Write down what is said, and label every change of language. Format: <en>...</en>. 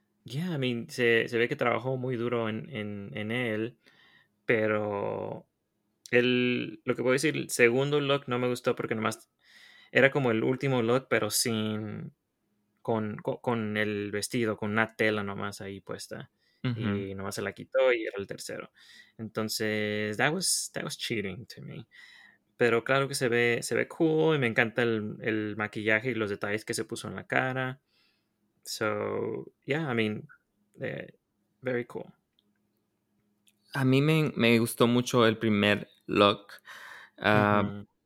<en>Yeah, I mean,</en> <es>se ve que trabajó muy duro en él. Pero lo que puedo decir, el segundo look no me gustó porque nomás era como el último look, pero sin... Con el vestido, con una tela nomás ahí puesta. Uh-huh. Y nomás se la quitó y era el tercero. Entonces,</es> <en>that was cheating to me.</en> <es>Pero claro que se ve cool y me encanta el maquillaje y los detalles que se puso en la cara.</es> <en>So, yeah, I mean, very cool.</en> <es>A mí me gustó mucho el primer look. Uh-huh.</es>